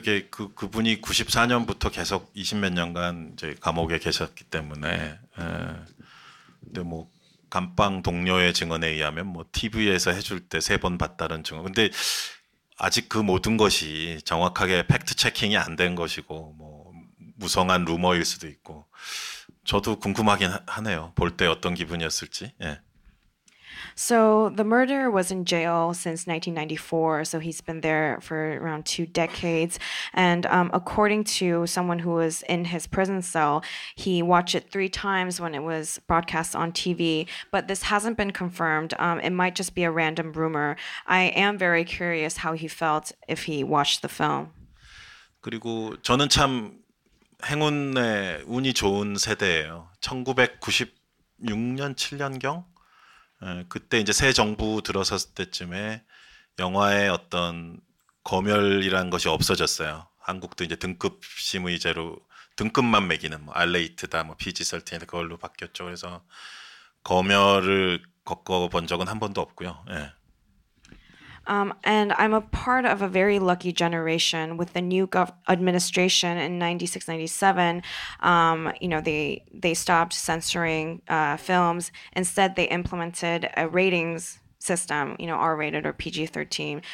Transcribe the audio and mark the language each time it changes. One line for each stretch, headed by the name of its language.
Korean: 그분이 94년부터 계속 20몇 년간 이제 감옥에 계셨기 때문에, 근데 뭐 감방 동료의 증언에 의하면 뭐 TV에서 해줄 때 세 번 봤다는 증언. 근데 아직 그 모든 것이 정확하게 팩트 체킹이 안 된 것이고 뭐 무성한 루머일 수도 있고, 저도 궁금하긴 하네요. 볼 때 어떤 기분이었을지. 예.
English: So the murderer was in jail since 1994, so he's been there for around 2 decades. And according to someone who was in his prison cell, he watched it 3 times when it was broadcast on TV. But this hasn't been confirmed. It might just be a random rumor. I am very curious how he felt if he watched the film.
Korean: 그리고 저는 참 행운의 운이 좋은 세대예요. 1996년, 7년경? 그때 이제 새 정부 들어섰을 때쯤에 영화의 어떤 검열이라는 것이 없어졌어요. 한국도 이제 등급 심의제로 등급만 매기는 뭐 R레이트다, 뭐 PG-13 그걸로 바뀌었죠. 그래서 검열을 겪어본 적은 한 번도 없고요. 예.
English: And I'm a part of a very lucky generation with the new administration in 96-97. You know, they stopped censoring films. Instead, they implemented a ratings system, you know, R-rated or PG-13.